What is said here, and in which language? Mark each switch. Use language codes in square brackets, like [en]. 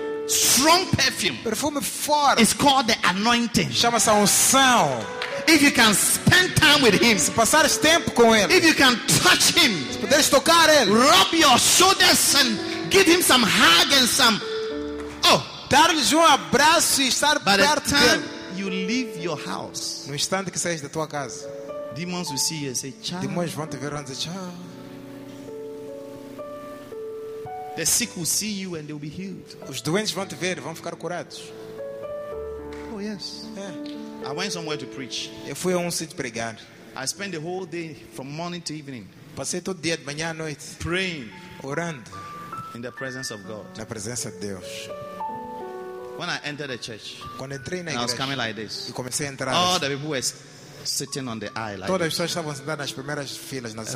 [en] Strong perfume. [pt] Perfume forte. [en] It's called the anointing. [pt] Chama-se a unção. [en] If you can spend time with him, [pt] se passares tempo com ele. [en] If you can touch him, [pt] se puderes tocar ele. [en] Rub your shoulders and give him some hug and some. Oh, [pt] dar-lhe um abraço e estar perto dele. [en] You leave your house. [pt] No instante que saís da tua casa, [en] demons will see you and say, "Child." [pt] Demônios vão te ver e dizer, [en] "Child." The sick will see you and they'll be healed. [pt] Os doentes vão te ver, vão ficar curados. [en] Oh yes. [pt] É. [en] I went somewhere to preach. [pt] Eu fui a sítio pregar. [en] I spent the whole day from morning to evening. [pt] Passei todo dia de manhã à noite. [en] Praying. [pt] Orando. [en] In the presence of God. [pt] Na presença de Deus. [en] When I entered the church, [pt] quando entrei na igreja, [en] I was coming like this. [pt] E comecei a entrar. [en] All the people were sitting on the aisle. Like [pt] todas as pessoas estavam sentadas nas primeiras filas nas